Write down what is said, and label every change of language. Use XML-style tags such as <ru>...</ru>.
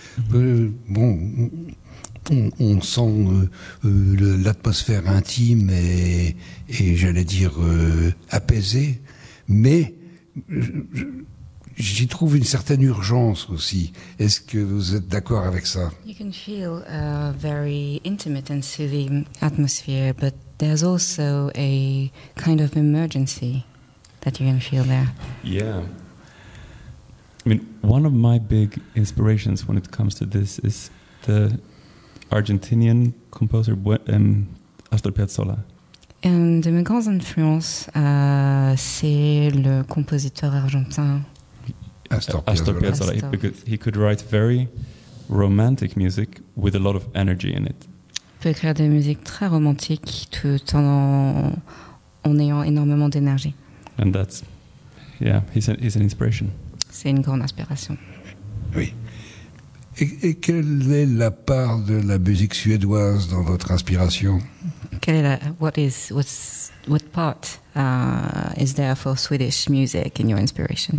<fr>Bon, on sent l'atmosphère intime et j'allais dire apaisée, mais j'y trouve une certaine urgence aussi. Est-ce que vous êtes d'accord avec ça?</fr> <en>You can feel a very intimate and soothing atmosphere, but there's also a kind of emergency that you can feel there. Yeah. I mean, one of my big inspirations when it comes to this is the Argentinian composer Astor Piazzolla.</en> <fr>Un de mes grandes influences, c'est le compositeur argentin Astor Piazzolla. Astor.</fr> <en>Because he could write very romantic music with a lot of energy in it.</en> <fr>Il peut écrire des musiques très romantiques tout en ayant énormément d'énergie.</fr> <en>And that's, yeah, he's an inspiration.</en> <fr>C'est une grande inspiration. Oui. Et quelle est la part de la musique suédoise dans votre inspiration? Quelle est la,</fr> <en>what part is there for Swedish music in your inspiration?</en>